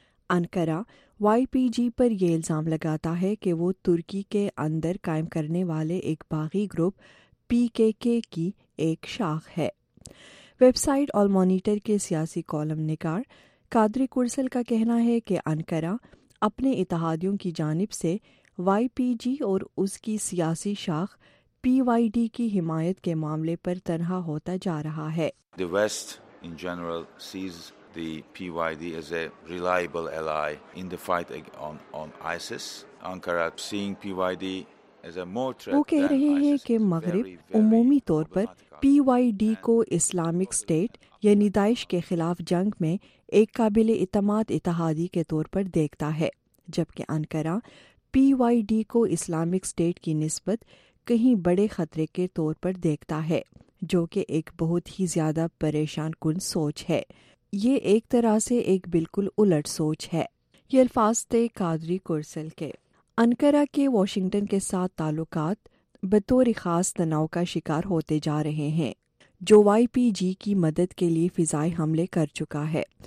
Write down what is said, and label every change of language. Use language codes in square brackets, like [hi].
[ur] Ankara Y پی جی پر یہ الزام لگاتا ہے کہ وہ ترکی کے اندر قائم کرنے والے ایک باغی گروپ پی کے کے کی ایک شاخ ہے۔ ویب سائٹ آل مانیٹر کے سیاسی کالم نگار قادری کرسل کا کہنا ہے کہ انقرہ اپنے اتحادیوں کی جانب سے وائی پی جی اور اس کی سیاسی شاخ پی وائی ڈی کی حمایت کے معاملے پر تنہا ہوتا جا رہا ہے۔ [en] The West in general sees the PYD as a reliable ally in the fight on ISIS. Ankara seeing PYD as a more threat [ur] وہ کہہ رہے ہیں کہ مغرب عمومی طور پر پی وائی ڈی کو اسلامک اسٹیٹ یعنی داعش کے خلاف جنگ میں ایک قابل اعتماد اتحادی کے طور پر دیکھتا ہے، جبکہ انقرہ پی وائی ڈی کو اسلامک اسٹیٹ کی نسبت کہیں بڑے خطرے کے طور پر دیکھتا ہے، جو کہ ایک بہت ہی زیادہ پریشان کن سوچ ہے۔ یہ ایک طرح سے ایک بالکل الٹ سوچ ہے۔ یہ الفاظ تھے قادری کرسل کے۔ انقرہ کے واشنگٹن کے ساتھ تعلقات بطور خاص تناؤ کا شکار ہوتے جا رہے ہیں، جو وائی پی جی کی مدد کے لیے فضائی حملے کر چکا ہے۔